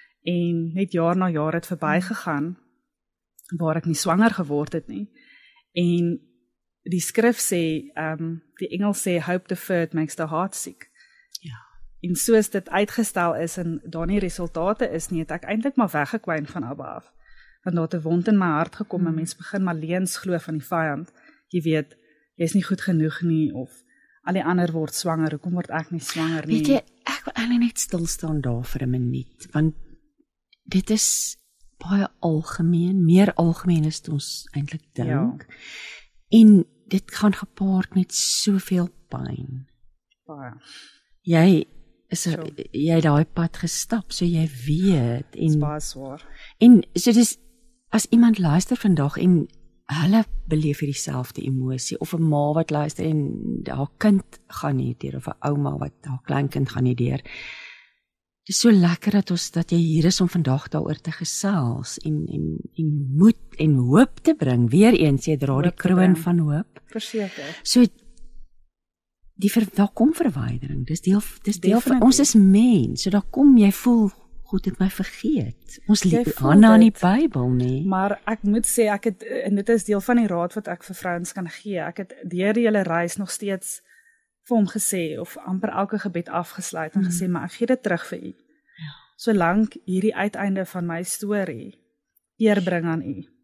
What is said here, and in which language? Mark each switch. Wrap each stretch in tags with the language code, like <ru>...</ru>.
<af>En net jaar na jaar het verby gegaan, waar ek nie swanger geword het nie. En die skrif sê, die engel sê,</af> <en>hope deferred makes the heart sick.</en> <af>Ja. En soos dit uitgestel is en daar nie resultate is nie, het ek eindelijk maar weggekwyn van Abba af. Want daar het 'n wond in my hart gekom, en mens begin maar leens glo van die vyand. Jy weet, jy is nie goed genoeg nie, of al die ander word swanger, hoekom word ek nie swanger nie? Weet jy, ek wil eintlik net stilstaan daar vir 'n minuut, want dit is baie algemeen, meer algemeen as ons eintlik dink. Ja. En dit gaan gepaard met soveel pyn. Baie. Jy is jy daai pad gestap, so jy weet. En, is baie swaar. En so dis, as iemand luister vandag en hulle beleef hier dieselfde emosie, of 'n ma wat luister en haar kind gaan nie deur, of 'n ouma wat haar kleinkind gaan nie deur. Dis so lekker dat ons, dat jy hier is om vandag daaroor te gesels en moed en hoop te bring. Weer eens, jy dra die kroon van hoop. Verseker. So, daar kom verwydering. Dis deel van, ons is mens. So, daar kom, jy voel, God het my vergeet. Ons lees Hanna in die Bybel, nie. Maar ek moet sê, ek het, en dit is deel van die raad wat ek vir vrouens kan gee, ek het deur die hele reis nog steeds vir hom gesê, of amper elke gebed afgesluit, en gesê, maar ek gee dit terug vir u. Ja. Solank hierdie uiteinde van my story eer bring aan u.</af>